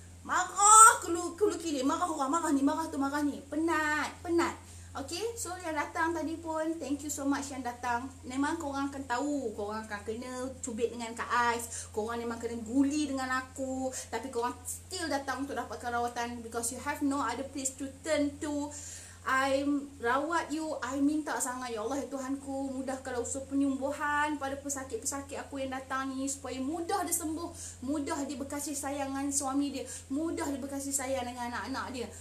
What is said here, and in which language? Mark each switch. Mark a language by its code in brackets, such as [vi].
[ms] Marah kelu kili, marah orang, marah ni. Penat. [en] Okay, so [ms] yang datang tadi pun, [en] thank you so much [ms] yang datang. Memang korang akan tahu, korang akan kena cubit dengan Kak Ais. Korang memang kena guli dengan aku. Tapi korang still datang untuk dapatkan rawatan. [en] Because you have no other place to turn to. [ms] I rawat you, I minta sangat ya Allah ya Tuhanku, mudahkanlah usul penyembuhan pada pesakit-pesakit aku yang datang ni, supaya mudah dia sembuh, mudah dia berkasih sayang dengan suami dia, mudah dia berkasih sayang dengan anak-anak dia.